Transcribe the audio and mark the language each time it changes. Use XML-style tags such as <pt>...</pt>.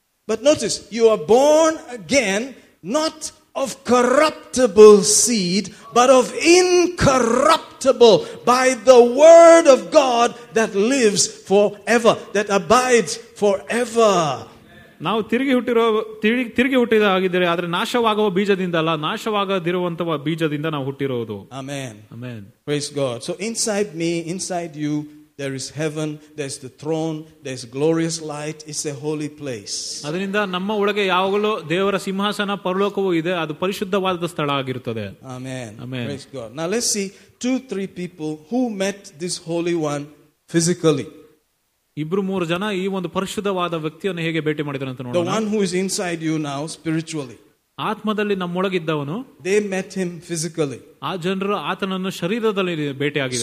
<en>But notice, you are born again, not of corruptible seed, but of incorruptible by the word of God that lives forever, that abides forever.</en> <kn>ನಾವು ತಿರುಗಿ ಹುಟ್ಟಿದ ಆಗಿದ್ದರೆ ಆದರೆ ನಾಶವಾಗುವ ಬೀಜದಿಂದ ಅಲ್ಲ ನಾಶವಾಗದಿರುವಂತಹ ಬೀಜದಿಂದ ನಾವು ಹುಟ್ಟಿರೋದು.</kn> <en>Amen. Amen. Praise God. So inside me, inside you, there is heaven, there is the throne, there is glorious light, it's a holy place.</en> <kn>ಅದರಿಂದ ನಮ್ಮ ಒಳಗೆ ಯಾವಾಗಲೂ ದೇವರ ಸಿಂಹಾಸನ ಪರಲೋಕವೂ ಇದೆ ಅದು ಪರಿಶುದ್ಧವಾದ ಸ್ಥಳ ಆಗಿರುತ್ತದೆ.</kn> <en>Amen. Amen. Praise God. Now let's see 2-3 people who met this holy one physically.</en> <kn>ಇಬ್ರು ಮೂರು ಜನ ಈ ಒಂದು ಪರಿಶುದ್ಧವಾದ ವ್ಯಕ್ತಿಯನ್ನು ಹೇಗೆ ಭೇಟಿ ಮಾಡಿದ್ರು ಅಂತ ನೋಡೋಣ.</kn> <en>The one who is inside you now spiritually.</en> <kn>ಆತ್ಮದಲ್ಲಿ ನಮ್ಮೊಳಗಿದ್ದವನು.</kn> <en>They met him physically.</en> <kn>ಆ ಜನರು ಆತನನ್ನು ಶರೀರದಲ್ಲಿ ಭೇಟಿಯಾಗಿದ್ದ.</kn>